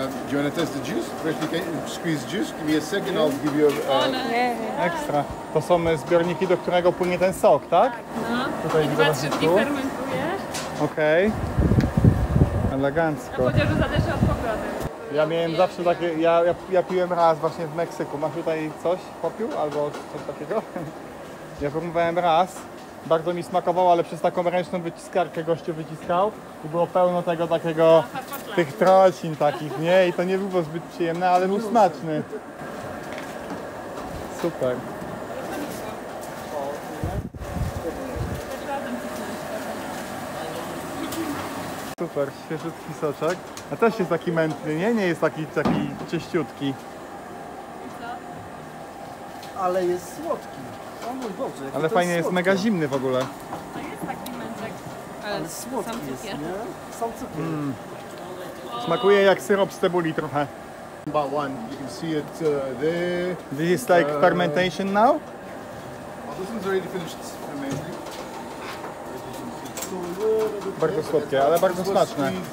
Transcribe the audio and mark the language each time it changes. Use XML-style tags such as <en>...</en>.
<en>Do you want to test the juice? If you can squeeze juice, give me a second, I'll give you a... Extra.</en> <pl>To są zbiorniki, do którego płynie ten sok, tak? No. Tutaj widzę na szybku. Okej. Elegancko. A chociaż zależy od pogody. Ja miałem zawsze takie. Ja piłem raz właśnie w Meksyku. Masz tutaj coś? Popił? Albo coś takiego? Ja próbowałem raz. Bardzo mi smakowało, ale przez taką ręczną wyciskarkę gościu wyciskał. I było pełno tego takiego. Tych trocin takich, nie? I to nie było zbyt przyjemne, ale był smaczny. Super. Super, świeżutki soczek. A też jest taki mętny, nie? Nie jest taki czyściutki. Ale jest słodki. O mój Boże, ale fajnie, jest mega zimny w ogóle. To jest taki mętek, ale słodki sam cukier. Jest, nie? Sam cukier. Mm. Smakuje jak syrop z cebuli trochę.</pl> <en>About one, you can see it there. This is like fermentation now? Well, this one's already finished fermenting.</en> <pl>Bardzo słodkie, ale bardzo smaczne.</pl>